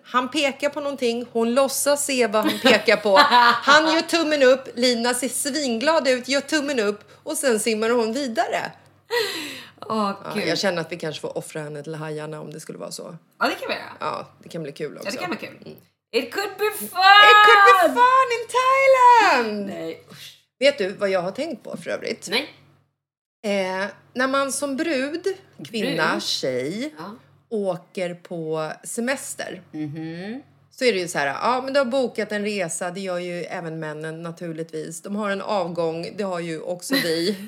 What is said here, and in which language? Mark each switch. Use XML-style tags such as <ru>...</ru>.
<sv>Han pekar på någonting. Hon låtsas se vad han pekar på. Han gör tummen upp. Lina ser svinglad ut. Gör tummen upp. Och sen simmar hon vidare. Åh, gud. Ja, jag känner att vi kanske får offra henne till hajarna om det skulle vara så. Ja, det kan vara. Ja, det kan bli kul också. Ja, det kan vara kul.</sv> <en>It could be fun! It could be fun in Thailand!</en> <sv>Nej, vet du vad jag har tänkt på för övrigt? Nej. När man som brud, kvinna, brud. Tjej, åker på semester. Mm-hmm. Så är det ju så här, ja men du har bokat en resa, det gör ju även männen naturligtvis. De har en avgång, det har ju också vi.</sv>